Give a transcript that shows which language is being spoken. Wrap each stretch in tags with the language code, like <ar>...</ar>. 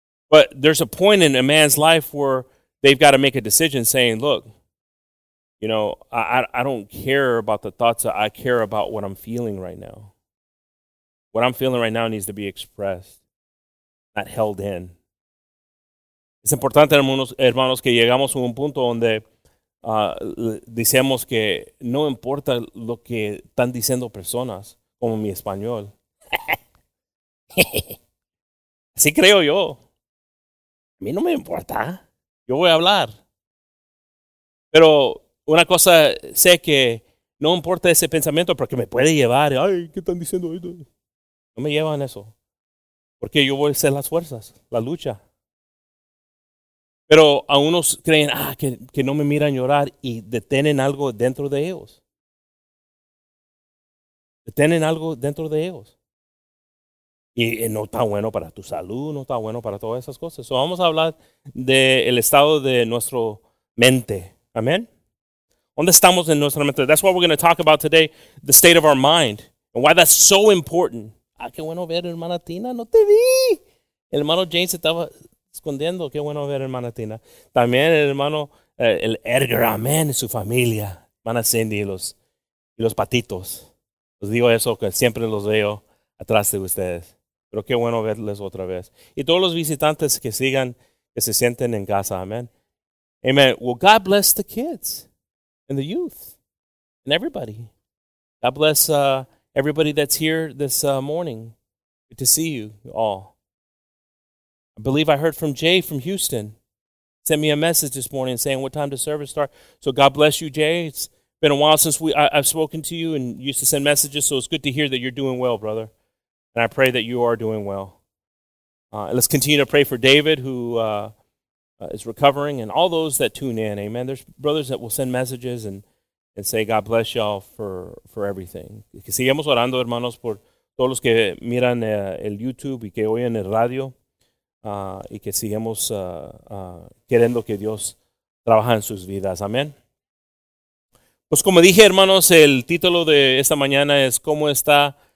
<en>But there's a point in a man's life where they've got to make a decision saying, look, you know, I don't care about the thoughts. I care about what I'm feeling right now. What I'm feeling right now needs to be expressed, not held in.</en> <es>Es importante, hermanos, que llegamos a un punto donde decimos que no importa lo que están diciendo personas, como mi español. Así creo yo. A mí no me importa. Yo voy a hablar. Pero una cosa sé que no importa ese pensamiento porque me puede llevar. Ay, ¿qué están diciendo esto? No me llevan eso. Porque yo voy a hacer las fuerzas, la lucha. Pero a unos creen, ah, que no me miran llorar y detienen algo dentro de ellos. Detienen algo dentro de ellos. Y no está bueno para tu salud, no está bueno para todas esas cosas. So vamos a hablar del estado de nuestra mente. Amén. ¿Dónde estamos en nuestra mente?</es> <en>That's what we're going to talk about today, the state of our mind. And why that's so important. Ah, qué bueno ver, hermana Tina, no te vi. El hermano James estaba escondiendo. Qué bueno ver, hermana Tina. También el hermano, el Edgar, amén, y su familia. Hermana Cindy y los patitos. Les digo eso, que siempre los veo atrás de ustedes. Pero qué bueno verles otra vez. Y todos los visitantes que sigan, que se sienten en casa. Amen. Amen. Well, God bless the kids and the youth and everybody. God bless everybody that's here this morning. Good to see you all. I believe I heard from Jay from Houston. Sent me a message this morning saying what time does service start. So God bless you, Jay. It's been a while since I've spoken to you and used to send messages. So it's good to hear that you're doing well, brother. And I pray that you are doing well. Let's continue to pray for David, who is recovering, and all those that tune in. Amen. There's brothers that will send messages and say, God bless y'all for everything.</en> <es>Que sigamos orando, hermanos, por todos los que miran el YouTube y que oyen el radio. Y que sigamos queriendo que Dios trabaje en sus vidas. Amen. Pues como dije, hermanos, el título de esta mañana es ¿cómo está?</es>